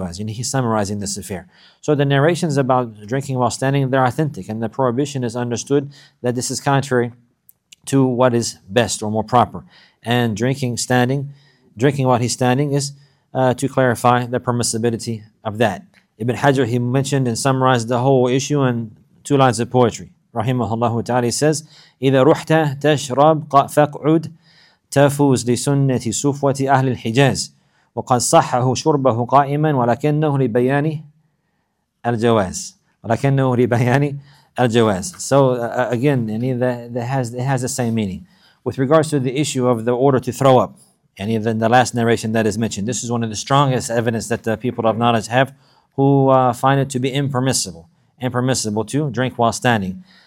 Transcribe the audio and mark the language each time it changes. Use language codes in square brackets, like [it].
[en] And he's summarizing this affair. So the narrations about drinking while standing, they're authentic, and the prohibition is understood that this is contrary to what is best or more proper. And drinking while he's standing is to clarify the permissibility of that. Ibn Hajar, he mentioned and summarized the whole issue in two lines of poetry. [ar] Rahimahullah ta'ala says, إِذَا رُحْتَ تَشْرَبْ فَقْعُدْ تَفُوزْ لِسُنَّةِ سُفْوَةِ أَهْلِ الْحِجَازِ وَقَدْ صَحَّهُ شُرْبَهُ قَائِمًا وَلَكِنَّهُ لِبَيَانِ الْجَوَازِ وَلَكِنَّهُ لِبَيَانِ الْجَوَازِ. [en] So again, yani it has the same meaning. With regards to the issue of the order to throw up, and even the last narration that is mentioned, this is one of the strongest evidence that the people of knowledge have who find it to be impermissible to drink while standing.